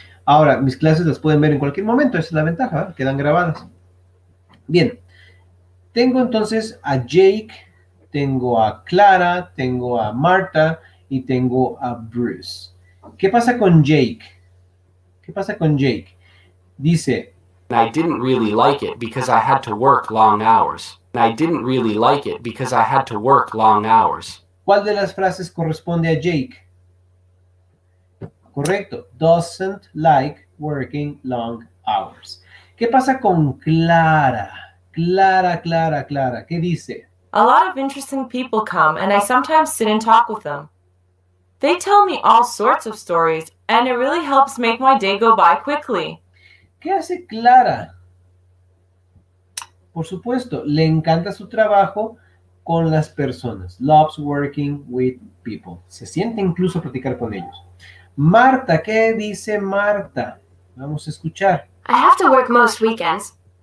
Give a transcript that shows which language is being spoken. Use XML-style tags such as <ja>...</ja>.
<es>Ahora, mis clases las pueden ver en cualquier momento, esa es la ventaja, ¿eh? Quedan grabadas. Bien, tengo entonces a Jake, tengo a Clara, tengo a Marta y tengo a Bruce. ¿Qué pasa con Jake? ¿Qué pasa con Jake? Dice,</es> <en>I didn't really like it because I had to work long hours. I didn't really like it because I had to work long hours.</en> <es>¿Cuál de las frases corresponde a Jake? Correcto.</es> <en>Doesn't like working long hours.</en> <es>¿Qué pasa con Clara? Clara, Clara, Clara. ¿Qué dice?</es> <en>A lot of interesting people come and I sometimes sit and talk with them. They tell me all sorts of stories and it really helps make my day go by quickly.</en> <es>¿Qué hace Clara? Por supuesto, le encanta su trabajo con las personas.</es> <en>Loves working with people.</en> <es>Se siente incluso a platicar con ellos. Marta, ¿qué dice Marta? Vamos a escuchar.</es> <en>I have to work most weekends.</en>